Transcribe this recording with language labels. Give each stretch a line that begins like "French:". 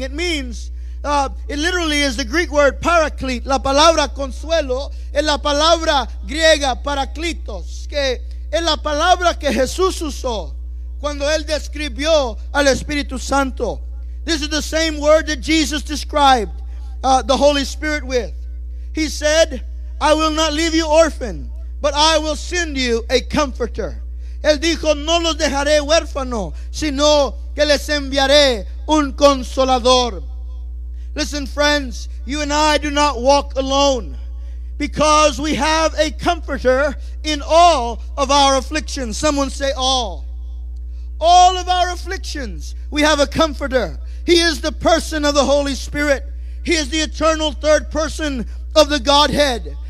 English: It means, it literally is the Greek word paraclete,
Spanish: la palabra consuelo, es la palabra griega paraclitos, que es la palabra que Jesús usó cuando él describió al Espíritu Santo.
English: This is the same word that Jesus described the Holy Spirit with. He said, I will not leave you orphan, but I will send you a comforter.
Spanish: Él dijo, no los dejaré huérfano, sino que les enviaré un consolador.
English: Listen, friends, you and I do not walk alone because we have a comforter in all of our afflictions. Someone say all. All of our afflictions, we have a comforter. He is the person of the Holy Spirit. He is the eternal third person of the Godhead.